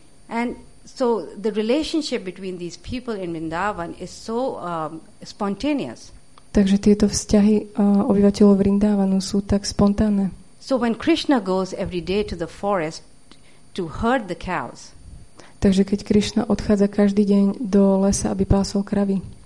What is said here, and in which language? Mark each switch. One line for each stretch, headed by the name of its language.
English: And so the relationship between these people in Vrindavan is so spontaneous.
Slovak: Takže tieto vzťahy obyvateľov Vrindavanu sú tak spontánne.
English: So when Krishna goes every day to the forest to herd the cows.
Slovak: Takže keď Krishna odchádza každý deň do lesa, aby pásol kravy.